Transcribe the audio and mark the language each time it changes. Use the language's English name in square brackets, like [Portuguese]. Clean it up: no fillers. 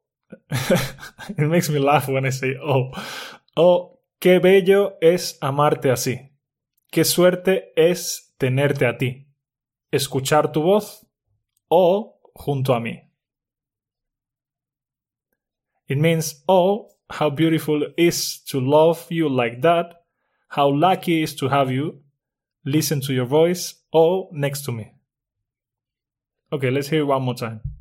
[English] Oh, it makes me laugh when I say oh. [Spanish] Oh, qué bello es amarte así. Qué suerte es tenerte a ti. Escuchar tu voz o junto a mí. [English] It means, oh, how beautiful it is to love you like that. How lucky it is to have you. Listen to your voice o next to me. Okay, let's hear it one more time.